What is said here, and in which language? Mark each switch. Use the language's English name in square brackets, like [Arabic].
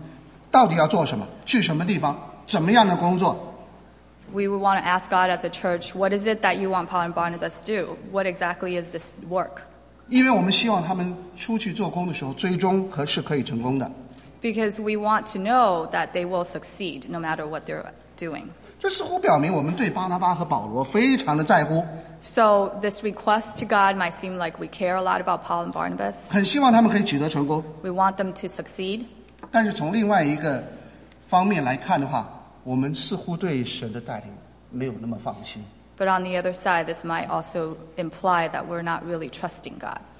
[Chinese] 神的请你清楚的让我们知道拆派出去他们到底要做什么,去什么地方,怎么样的工作? [English] We would want to ask God as a church, what is it that you want Paul and Barnabas to do? What exactly is this work? [Chinese] 因为我们希望他们出去做工的时候,最终可是可以成功的。 [English] Because we want to know that they will succeed no matter what they're doing. So this request to God might seem like we care a lot about Paul and Barnabas. We want them to succeed. But on the other side, this might also imply that we're not really trusting God.